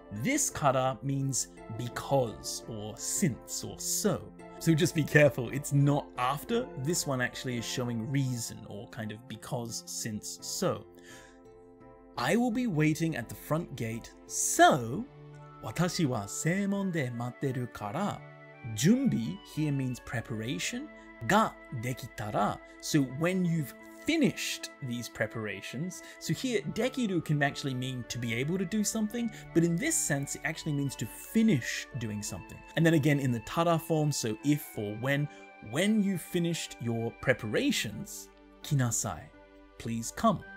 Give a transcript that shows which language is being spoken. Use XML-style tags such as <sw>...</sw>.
<en>This kara means because, or since, or so. So just be careful, it's not after. This one actually is showing reason, or kind of because, since, so. I will be waiting at the front gate, so</en> <ja>私は正門で待ってるから準備,</ja> <en>here means preparation,</en> <ja>ができたら,</ja> <en>so when you've finished these preparations. So here, dekiru can actually mean to be able to do something, but in this sense, it actually means to finish doing something. And then again, in the tada form, so if or when you've finished your preparations, kinasai, please come.</en>